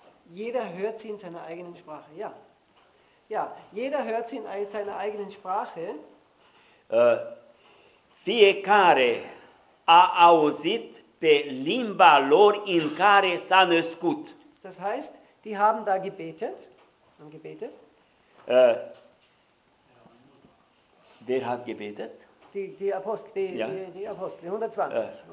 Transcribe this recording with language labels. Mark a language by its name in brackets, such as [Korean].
[German] jeder hört sie in seiner eigenen Sprache, ja. Ja, jeder hört sie in seiner eigenen Sprache. [Romanian] Fiecare a auzit pe limba lor in care s-a născut. [German] Das heißt, die haben da gebetet, haben gebetet. Wer hat gebetet? Die Apostel, die Apostel, 120,